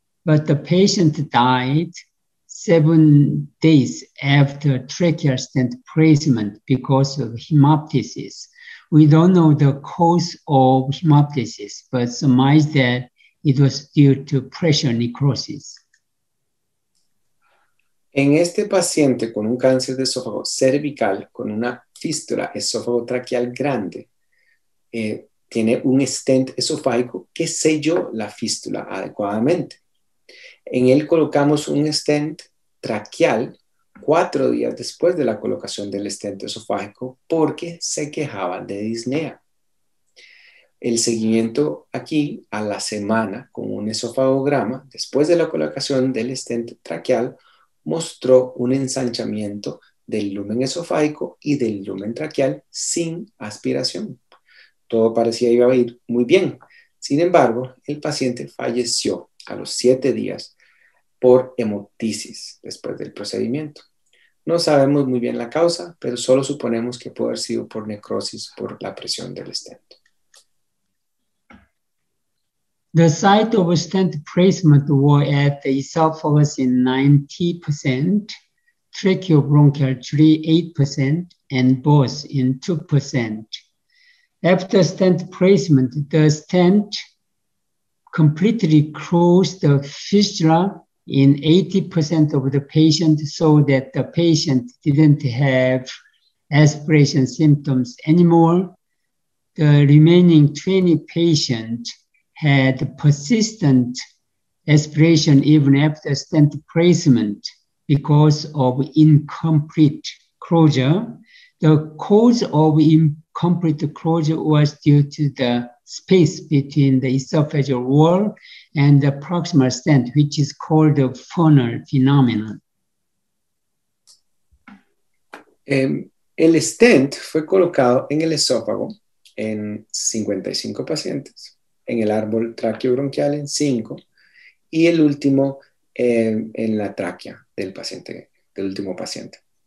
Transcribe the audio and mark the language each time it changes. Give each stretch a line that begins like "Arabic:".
English: But the patient died 7 days after tracheal stent placement because of hemoptysis. We don't know the cause of hemoptysis, but surmise that it was due to pressure necrosis.
Spanish: En este paciente con un cáncer de esófago cervical con una fístula esófago traqueal grande, tiene un stent esofágico que selló la fístula adecuadamente. En él colocamos un stent traqueal 4 días después de la colocación del stent esofágico porque se quejaba de disnea. El seguimiento aquí a la semana con un esofagograma después de la colocación del stent traqueal mostró un ensanchamiento del lumen esofágico y del lumen traqueal sin aspiración. Todo parecía iba a ir muy bien. Sin embargo, el paciente falleció a los 7 días por hemoptisis después del procedimiento. No sabemos muy bien la causa, pero solo suponemos que puede haber sido por necrosis por la presión del stent.
English: The site of stent placement were at the esophagus in 90%, tracheobronchial tree 8%, and both in 2%. After stent placement, the stent completely closed the fissure in 80% of the patient so that the patient didn't have aspiration symptoms anymore. The remaining 20 patients had persistent aspiration even after stent placement because of incomplete closure. The cause of incomplete closure was due to the space between the esophageal wall and the proximal stent, which is called the funnel phenomenon.
Spanish: El stent fue colocado en el esófago en 55 pacientes. En el árbol traqueobronquial en 5 y el último en la tráquea del paciente, del último paciente.